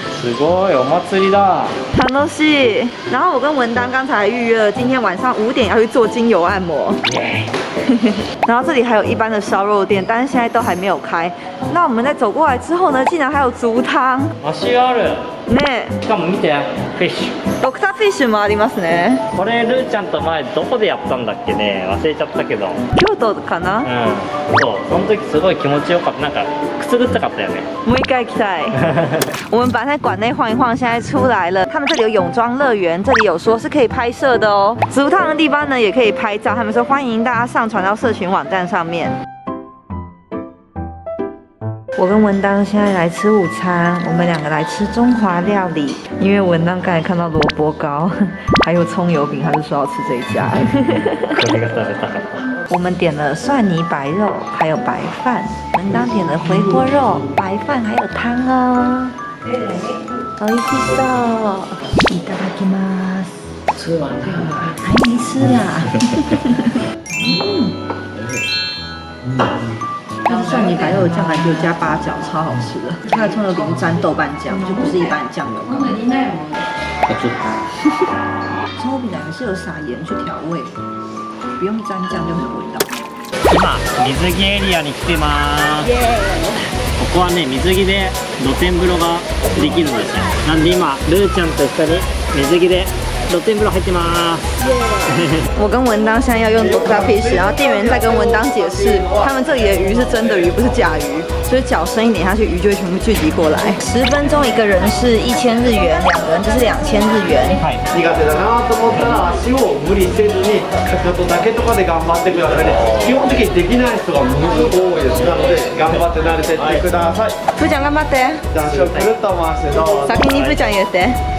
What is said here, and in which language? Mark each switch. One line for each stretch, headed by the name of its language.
Japanese: すごいお祭りだ。楽しい。
Chinese: 然后我跟文丹刚才预约了今天晚上五点要去做精油按摩。然后这里还有一般的烧肉店，但是现在都还没有开。那我们在走过来之后呢，竟然还有竹汤。
Japanese: 足がある。ね。しかも見て、フィッシュ。ドクターフィッシュもありますね。これルーちゃんと前どこでやったんだっけね、忘れちゃったけど。京都かな？うん。そう、その時すごい気持ちよかった。なんかくすぐったかったよね。もう一回行きたい。
Chinese: 我们本来在馆内晃一晃，现在出来了。他们这里有泳装乐园，这里有说是可以拍摄的哦。竹汤的地方呢，也可以拍照。他们说欢迎大家上传到社群网站上面。我跟文丹现在来吃午餐，我们两个来吃中华料理。因为文丹刚才看到萝卜糕，还有葱油饼，他就说要吃这一家。我们点了蒜泥白肉，还有白饭。文丹点了回锅肉、白饭还有汤哦。好意思哦。
Japanese: いただきます。
Chinese: 吃完了。还没吃啦。嗯。它是蒜泥白肉的酱，还有加八角，超好吃的。它的葱油饼是沾豆瓣酱，就不是一般的酱油膏。葱油饼很适合撒盐去调味，不用沾酱就很有味道。
Japanese: 今水着エリアに来てます。ここはね水着で露天風呂ができるんですよ。なんで今ルーちゃんと一緒に水着で。露天風呂入ってます。
Chinese: 我跟文当现在要用 Doctor Fish， 然后店员在跟文当解释，他们这里的鱼是真的鱼，不是假鱼，所以脚深一点下去，鱼就会全部聚集过来。十分钟一个人是1000日元，两个人就是2000日元。
Japanese: 苦手だなと思ったら足を無理せずにかかとだけとかで頑張ってください。基本的にできない人がものすごく多いですので、頑張って慣れてってください。ふーちゃん頑張って。じゃあ足をくるっと回してどうぞ。先にふーちゃんやって。